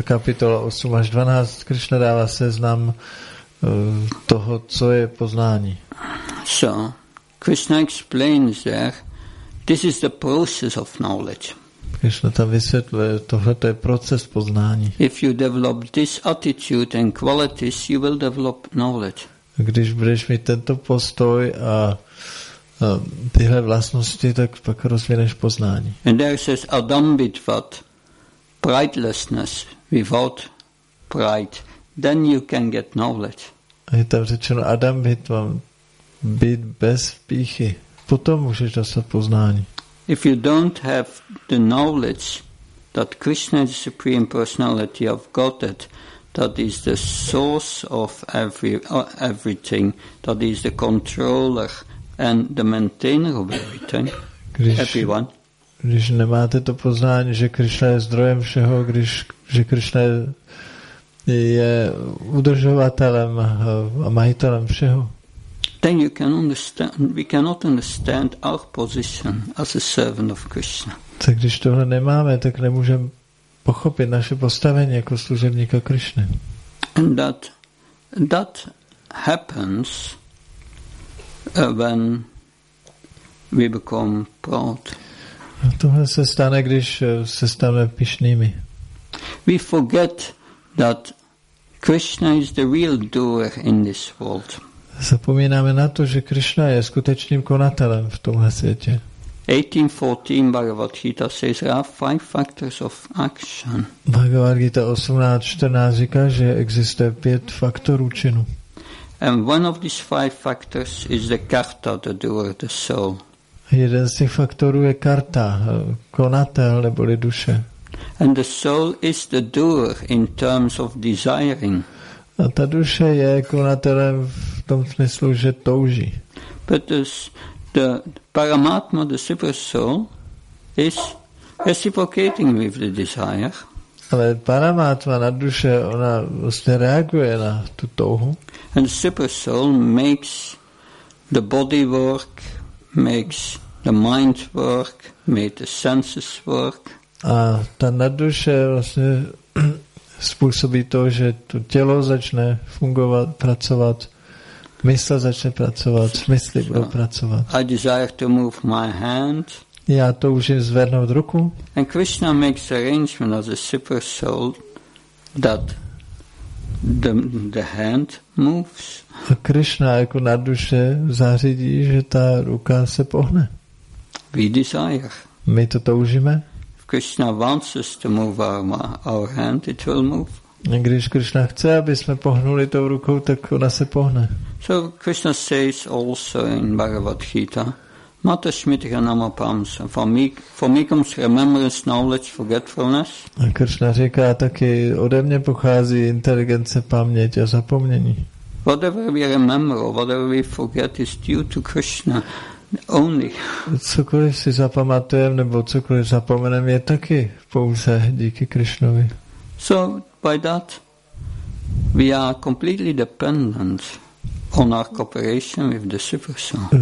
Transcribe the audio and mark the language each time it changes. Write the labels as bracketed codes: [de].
[cs] kapitola 8 až 12 Krishna dává seznam toho, co je poznání. [en] So, Krishna explains there, this is the process of knowledge. [cs] Krishna tam vysvětluje, tohle to je proces poznání. [en] If you develop this attitude and qualities, you will develop knowledge. [cs] Když budeš mít tento postoj a tyhle vlastnosti, tak pak rozvineš poznání. [en] And there says Adambitvat, pridelessness, without pride, then you can get knowledge. [cs] A je tam řečeno Adambitvam, být bez pýchy, potom můžeš dostat poznání. [en] If you don't have the knowledge that Krishna is the Supreme Personality of Godhead, that is the source of everything, that is the controller and the maintainer of everything, everyone. [cs] Když nemáte to poznání, že Krishna je zdrojem všeho, že Krishna je udržovatelem a majitelem všeho. [en] Then you can understand, we cannot understand our position as a servant of Krishna. [cs] Tak když tohle nemáme, tak nemůžeme pochopit naše postavení jako služebníka Krishny. [en] And that happens when we become proud. [cs] A tohle se stane, když se staneme pyšnými. [en] We forget that Krishna is the real doer in this world. [cs] Zapomínáme na to, že Krishna je skutečným konatelem v tomhle světě. [en] 18.14 Bhagavad Gita says there are five factors of action. [cs] Bhagavad Gita 18.14 říká, že existuje pět faktorů činu. [en] And one of these five factors is the karta, the doer, the soul. [cs] Jeden z těch faktorů je karta, konatel neboli duše. [en] And the soul is the doer in terms of desiring. [cs] A ta duše je konatelem v tom smyslu, že touží. [en] But the Paramatma, the super soul, is reciprocating with the desire. [cs] Ale Paramatma na duše, ona vlastně reaguje na tu touhu. [en] And the super soul makes the body work, makes the mind work, makes the senses work. [cs] A ta nadduše vlastně způsobí to, že to tělo začne fungovat, pracovat, mysl začne pracovat, smysly budou pracovat. [en] I desire to move my hand. [cs] Já toužím zvednout ruku. [en] And Krishna makes arrangement as a super soul that the hand moves. [cs] A Krishna jako nadduše zařídí, že ta ruka se pohne. [en] We desire. [cs] My to toužíme. [en] Krishna wants us to move our hand, it will move. [cs] Když Krishna chce, aby jsme pohnuli tou rukou, tak ona se pohne. [en] So Krishna says also in Bhagavad Gita, Mata Smitra Namapamsa, for me comes remembrance, knowledge, forgetfulness. [cs] A Krishna říká taky, ode mě pochází inteligence, paměť a zapomnění. [en] Whatever we remember, whatever we forget is due to Krishna. Only. [cs] Cokoliv si zapamatujeme nebo cokoliv zapomeneme, je taky pouze díky Krišnovi. [en] So by that we are completely dependent on our cooperation with the super soul.